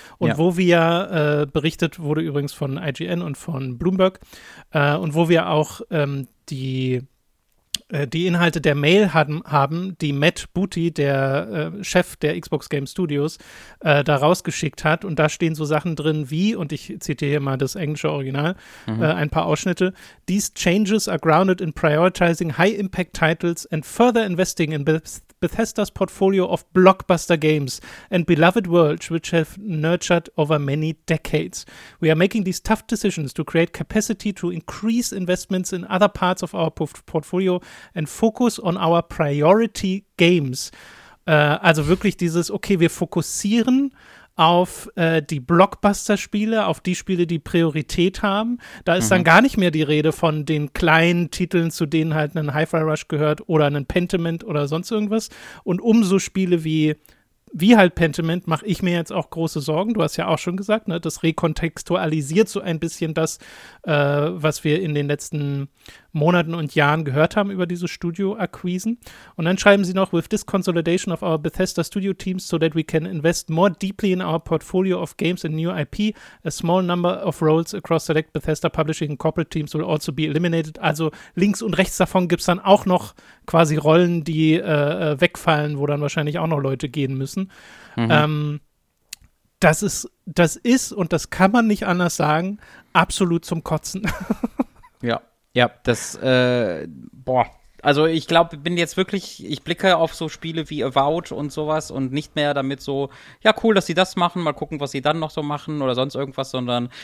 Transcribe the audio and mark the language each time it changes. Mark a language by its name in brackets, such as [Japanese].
[German] Und wo wir berichtet wurde übrigens von IGN und von Bloomberg, und wo wir auch die Inhalte der Mail haben, die Matt Booty, der Chef der Xbox Game Studios, da rausgeschickt hat. Und da stehen so Sachen drin wie, und ich zitiere hier mal das englische Original, ein paar Ausschnitte. [English] These changes are grounded in prioritizing high-impact titles and further investing in Bethesda's portfolio of blockbuster games and beloved worlds which have nurtured over many decades. We are making these tough decisions to create capacity to increase investments in other parts of our portfolio and focus on our priority games. [German] Also wirklich dieses, okay, wir fokussieren auf die Blockbuster-Spiele, auf die Spiele, die Priorität haben. Da ist dann gar nicht mehr die Rede von den kleinen Titeln, zu denen halt ein Hi-Fi Rush gehört oder ein Pentiment oder sonst irgendwas. Und um so Spiele wie halt Pentiment mache ich mir jetzt auch große Sorgen. Du hast ja auch schon gesagt, ne, das rekontextualisiert so ein bisschen das, was wir in den letzten Monaten und Jahren gehört haben über diese Studio-Akquisen. Und dann schreiben sie noch, [English] with this consolidation of our Bethesda Studio teams so that we can invest more deeply in our portfolio of games and new IP, a small number of roles across select Bethesda Publishing and Corporate teams will also be eliminated. [German] Also links und rechts davon gibt es dann auch noch quasi Rollen, die wegfallen, wo dann wahrscheinlich auch noch Leute gehen müssen. Das ist und das kann man nicht anders sagen, absolut zum Kotzen. Ja. Ja, das, also ich glaube, bin jetzt wirklich, ich blicke auf so Spiele wie Avowed und sowas und nicht mehr damit so, ja, cool, dass sie das machen, mal gucken, was sie dann noch so machen oder sonst irgendwas, sondern,